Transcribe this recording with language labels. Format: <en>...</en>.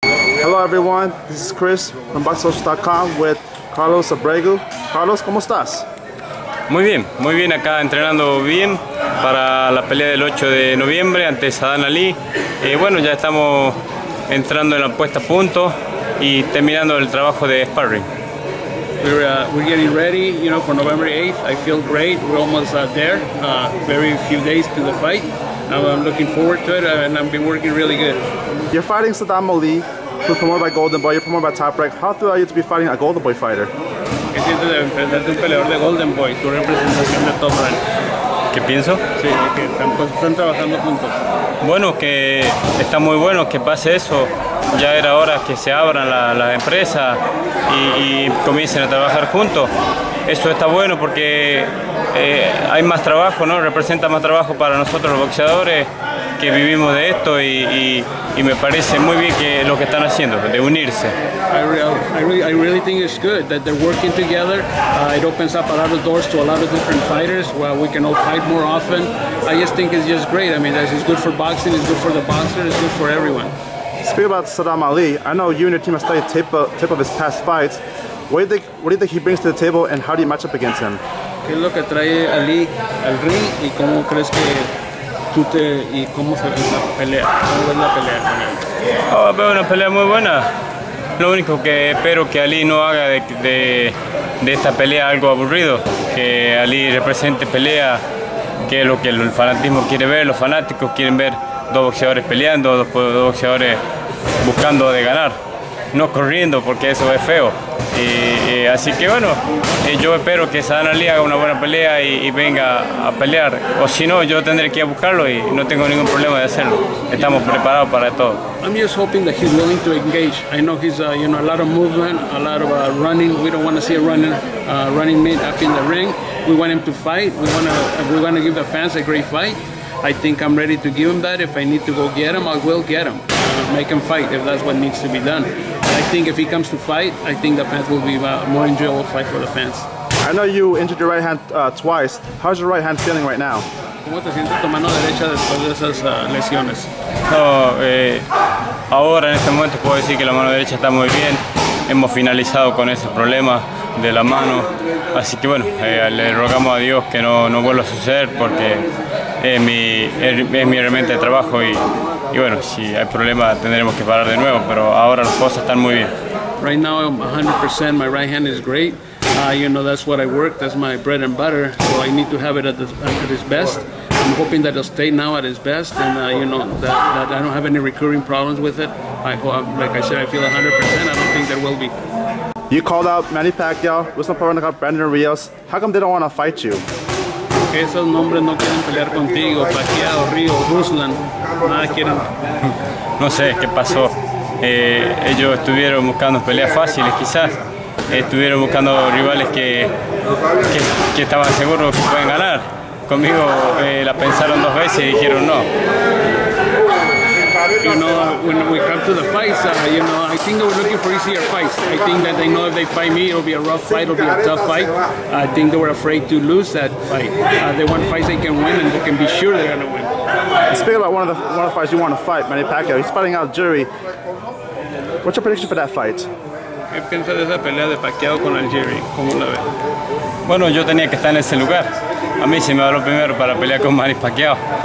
<en>Hello everyone, this is Chris from BoxSocial.com with Carlos Abrego.</en> <es>Carlos, ¿cómo estás? Muy bien acá, entrenando bien para la pelea del 8 de noviembre ante Sadan Ali. Bueno, ya estamos entrando en la puesta a punto y terminando el trabajo de sparring.</es> <en>We're getting ready, you know, for November 8th. I feel great. We're almost there. Very few days to the fight. I'm looking forward to it, and I've been working really good. You're fighting Sadam Ali, who's promoted by Golden Boy. You're promoted by Top Rank. How thrilled are you to be fighting a Golden Boy fighter?</en> <es>¿Qué sientes de enfrentarte a un peleador de Golden Boy, tu representación de Top Rank? ¿Qué pienso? Sí, que están trabajando juntos. Bueno, que está muy bueno que pase eso. Ya era hora que se abran las empresas y comiencen a trabajar juntos. Eso está bueno porque hay más trabajo, ¿no? Representa más trabajo para nosotros los boxeadores que vivimos de esto y me parece muy bien que lo que están haciendo, de unirse.</es> <en>I really think it's good that they're working together. It opens up a lot of doors to a lot of different fighters where we can all fight more often. I just think it's just great. I mean, this is good for boxing, it's good for the boxer, it's good for everyone. Speaking about Sadam Ali, I know you and your team have studied tape of his past fights. What do you think he brings to the table, and how do you match up against him?</en> <es>¿Qué es lo que trae Ali al ring, y cómo crees que tú te y cómo se ve la pelea? ¿Cómo ves la pelea con él? Oh, pero una pelea muy buena. Lo único que espero que Ali no haga de esta pelea algo aburrido, que Ali represente pelea, que es lo que el fanatismo quiere ver, los fanáticos quieren ver. Dos boxeadores peleando, dos boxeadores buscando de ganar, no corriendo porque eso es feo. Así que bueno, yo espero que Sadam Ali haga una buena pelea y venga a pelear. O si no, yo tendré que ir a buscarlo y no tengo ningún problema de hacerlo. Estamos preparados para todo.</es> <en>I'm just hoping that he's willing to engage. I know he's you know, a lot of movement, a lot of running. We don't want to see a running mate up in the ring. We want him to fight. We want to give the fans a great fight. I think I'm ready to give him that. If I need to go get him, I will get him. Make him fight if that's what needs to be done. I think if he comes to fight, I think the fans will be more enjoyable fight for the fans. I know you injured your right hand twice. How's your right hand feeling right now?</en> <es>¿Cómo te sientes tu mano derecha después de esas lesiones? No, ahora en este momento puedo decir que la mano derecha está muy bien. Hemos finalizado con ese problema de la mano. Así que bueno, le rogamos a Dios que no vuelva a suceder porque es mi herramienta de trabajo y bueno, si hay problemas tendremos que parar de nuevo, pero ahora las cosas están muy bien.</es> <en>Right now, 100%, my right hand is great. You know, that's what I work, that's my bread and butter, so I need to have it at its best. I'm hoping that it'll stay now at its best, and you know, that I don't have any recurring problems with it. I hope, like I said, I feel 100%, I don't think there will be. You called out Manny Pacquiao, Ruslan Poroneka, Brandon Rios. How come they don't want to fight you?</en> <es>Esos nombres no quieren pelear contigo, Pacquiao, Rios, Ruslan, nada quieren. No sé qué pasó. Ellos estuvieron buscando peleas fáciles, quizás. Estuvieron buscando rivales que estaban seguros que pueden ganar. Conmigo la pensaron dos veces y dijeron no.</es> <en>You know, when we come to the fights, you know, I think they were looking for easier fights. I think that they know if they fight me, it'll be a rough fight, it'll be a tough fight. I think they were afraid to lose that fight. They want fights they can win and they can be sure they're going to win. Speaking about one of the fights you want to fight, Manny Pacquiao, he's fighting out Jury. What's your prediction for that fight?</en> <es>¿Qué piensas de esa pelea de Pacquiao con Algeri? ¿Cómo la ves? Bueno, yo tenía que estar en ese lugar. A mí se me va lo primero para pelear con Manny Pacquiao.</es>